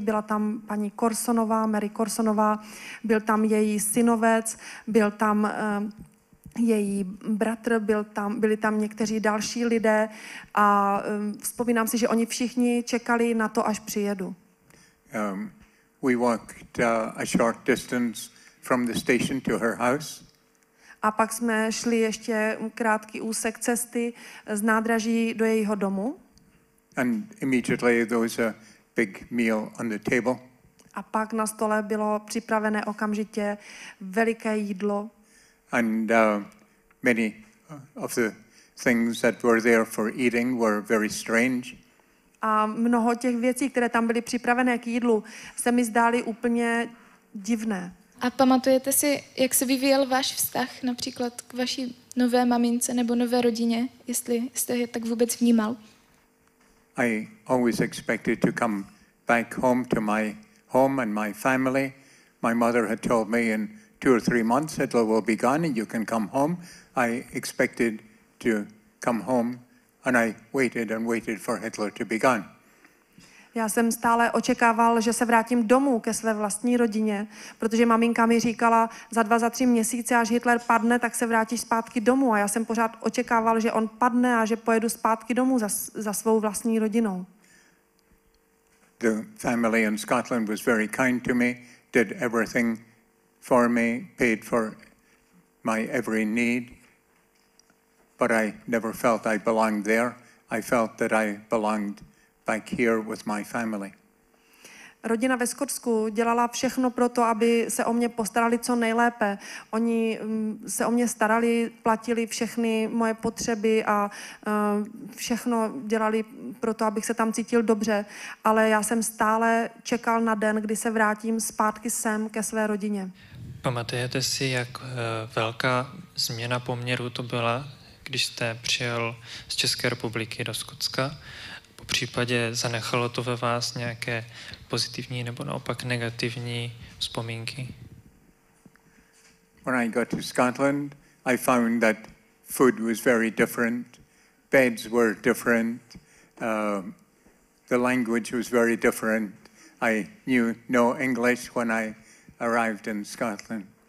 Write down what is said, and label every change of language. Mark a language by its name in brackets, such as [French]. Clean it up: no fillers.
[Czech] Byla tam paní Corsonová, Mary Corsonová, byl tam její synovec, byl tam její bratr, byli tam někteří další lidé a vzpomínám si, že oni všichni čekali na to, až přijedu. [English] We walked a short distance from the station to her house. [Czech] A pak jsme šli ještě krátký úsek cesty z nádraží do jejího domu. [English] And immediately there was a big meal on the table. [Czech] A pak na stole bylo připravené okamžitě veliké jídlo. [English] And many of the things that were there for eating were very strange. [Czech] A mnoho těch věcí, které tam byly připravené k jídlu, se mi zdály úplně divné. A pamatujete si, jak se vyvíjel váš vztah například k vaší nové mamince nebo nové rodině, jestli jste je tak vůbec vnímal? [English] I always expected to come back home to my home and my family. My mother had told me in two or three months it will be gone and you can come home. I expected to come home and I waited and waited for Hitler to be gone. [Czech] Já jsem stále očekával, že se vrátím domů ke své vlastní rodině, protože maminka mi říkala, za 2-3 měsíce, až Hitler padne, tak se vrátíš zpátky domů. A já jsem pořád očekával, že on padne a že pojedu zpátky domů za svou vlastní rodinou. [English] The family in Scotland was very kind to me, did everything for me, paid for my every need, but I never felt I belonged there. I felt that I belonged back here with my family. [Czech] Rodina ve Skotsku dělala všechno pro to, aby se o mě postarali co nejlépe. Oni se o mě starali, platili všechny moje potřeby a všechno dělali pro to, abych se tam cítil dobře. Ale já jsem stále čekal na den, kdy se vrátím zpátky sem ke své rodině. Pamatujete si, jak velká změna poměru to byla, když jste přijel z České republiky do Skotska? V případě zanechalo to ve vás nějaké pozitivní nebo naopak negativní vzpomínky? [English] When I got to Scotland, I found that food was very different, beds were different, the language was very different. I knew no English when I arrived in Scotland.